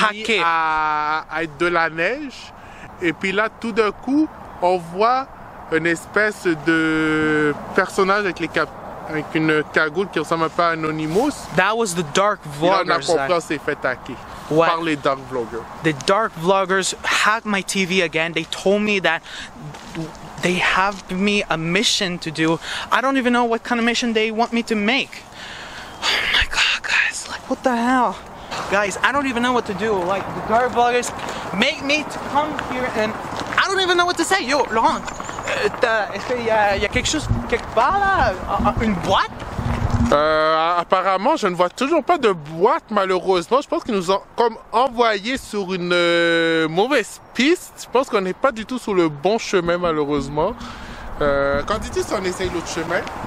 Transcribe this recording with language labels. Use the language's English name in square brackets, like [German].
[French] Tout d'un coup, la télé s'est mise à être de la neige. Et puis là, tout d'un coup, on voit une espèce de personnage avec les capteurs. Avec une cagoule qui ressemble un peu à Anonymous. [English] That was the dark vloggers. [French] Là, on a compris, on s'est fait hacker. [English] What? [French] Par les dark vloggers. [English] The dark vloggers hacked my TV again. They told me that they have me a mission to do. I don't even know what kind of mission they want me to make. Oh my god, guys. Like, what the hell? Guys, I don't even know what to do. Like, the dark vloggers make me to come here and I don't even know what to say. Yo, Laurent. [French] Est-ce qu'il y a quelque chose quelque part là? Une boîte? Apparemment, je ne vois toujours pas de boîte malheureusement. Je pense qu'ils nous ont comme envoyé sur une mauvaise piste. Je pense qu'on n'est pas du tout sur le bon chemin malheureusement. Qu'en dis-tu si on essaye l'autre chemin?